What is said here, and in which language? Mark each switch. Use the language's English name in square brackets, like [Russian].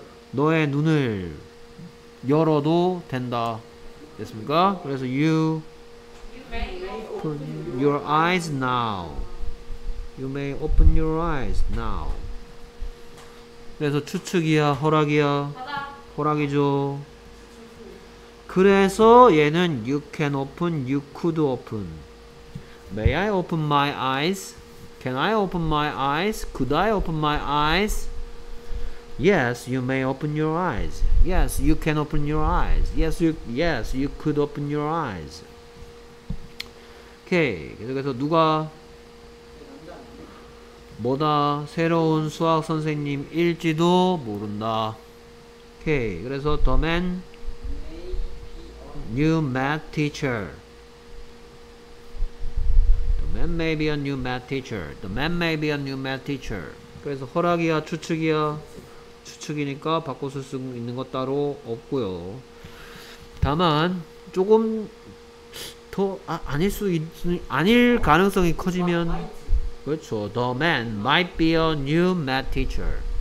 [Korean] 너의 눈을 열어도 된다. 됐습니까? 그래서 you [English] open your eyes now. You may open your eyes now. [Korean] 그래서 추측이야, 허락이야? 허락이죠. 그래서 얘는 [English] you can open, you could open. May I open my eyes? Can I open my eyes? Could I open my eyes? Yes, you may open your eyes. Yes, you can open your eyes. Yes, you could open your eyes. [Korean] Okay, 계속해서 누가? 뭐다? 새로운 수학 선생님일지도 모른다. [English] Okay, [Korean] 그래서 [English] the man? New math teacher. The man may be a new math teacher. The man may be a new math teacher. [Korean] 그래서 허락이야, 추측이야? 추측이니까 바꿔 쓸 수 있는 것 따로 없고요. 다만 조금 더 아닐 가능성이 커지면 그렇죠. [English] The man might be a new math teacher.